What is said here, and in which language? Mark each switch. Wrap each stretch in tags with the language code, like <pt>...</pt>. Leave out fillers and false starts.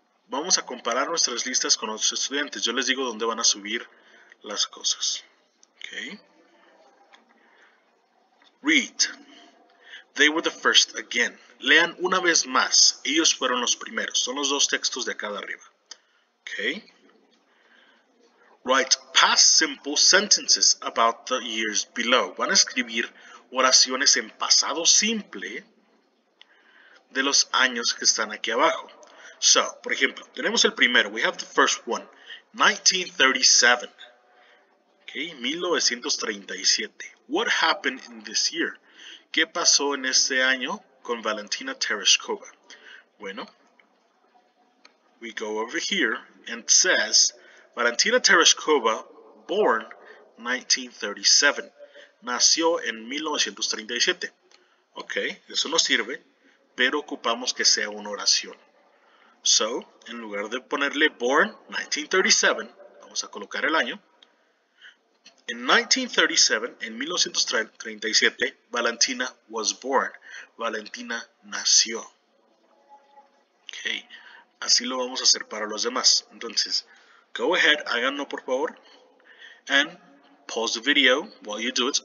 <es>Vamos a comparar nuestras listas con otros estudiantes. Yo les digo dónde van a subir las cosas. Ok.</es> <en>Read. They were the first again.</en> <es>Lean una vez más. Ellos fueron los primeros. Son los dos textos de acá de arriba.</es> <en>Okay. Write past simple sentences about the years below.</en> <es>Van a escribir oraciones en pasado simple de los años que están aquí abajo.</es> <en>So,</en> <es>por ejemplo, tenemos el primero.</es> <en>We have the first one. 1937. Okay, 1937. What happened in this year?</en> <es>¿Qué pasó en este año con Valentina Tereshkova?</es> <en>Bueno, we go over here and it says, Valentina Tereshkova, born 1937.</en> <es>Nació en 1937. Ok, eso nos sirve, pero ocupamos que sea una oración. So, en lugar de ponerle</es> <en>born</en> <es>1937, vamos a colocar el año.</es> <en>In 1937,</en> <es>en 1937,</es> <en>Valentina was born.</en> <es>Valentina nació. Ok, así lo vamos a hacer para los demás. Entonces,</es> <en>go ahead,</en> <es>háganlo por favor.</es> <en>And pause the video while you do it.</en>